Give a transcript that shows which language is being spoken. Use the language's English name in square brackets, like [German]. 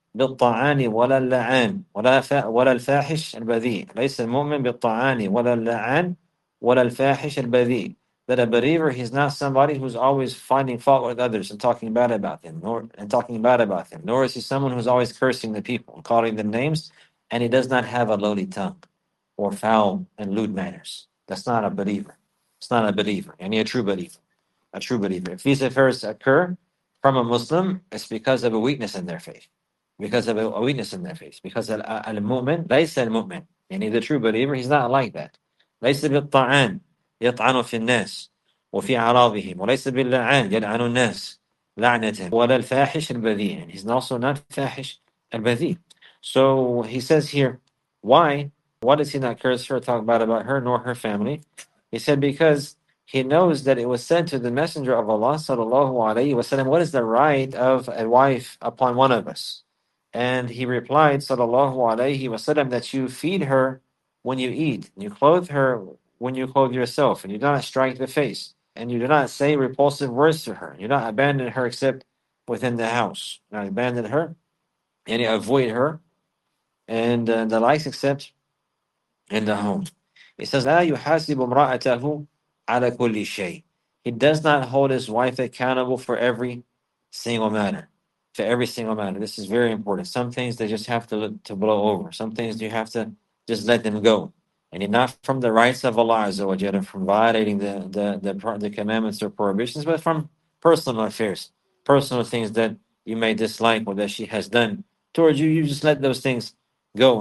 [Arabic] بالطعان ولا اللعان ولا الفاحش البذيء ليس المؤمن بالطعان ولا اللعان ولا الفاحش البذيء. [English] That a believer, he's not somebody who's always finding fault with others and talking bad about them, nor is he someone who's always cursing the people and calling them names, and he does not have a lowly tongue or foul and lewd manners. That's not a believer. It's not a believer. Any a true believer. If these affairs occur, from a Muslim, it's because of a weakness in their faith. Because of a weakness in their faith. Because al-mu'min, [Arabic] ليس المؤمن. يعني [English] the true believer, he's not like that. [Arabic] ليس بالطعان يطعن في الناس وفي أعراضهم وليس باللعان يلعن الناس لعنتهم ولا الفاحش البذيء. [English] And he's also not [Arabic] فاحش البذيء. [English] So he says here, why? What does he not curse her, talk bad about her, nor her family? He said, because he knows that it was said to the Messenger of Allah, sallallahu alayhi wa sallam, what is the right of a wife upon one of us? And he replied, sallallahu alayhi wa sallam, that you feed her when you eat, and you clothe her when you clothe yourself, and you do not strike the face, and you do not say repulsive words to her. You do not abandon her except within the house. You do not abandon her, and you avoid her, and the likes except in the home. He says, [Arabic] لا يحاسب امرأته على كل شيء. [English] He does not hold his wife accountable for every single matter. For every single matter. This is very important. Some things they just have to blow over. Some things you have to just let them go. And not from the rights of Allah Azza wa Jalla, from violating the commandments or prohibitions, but from personal affairs, personal things that you may dislike or that she has done towards you. You just let those things go.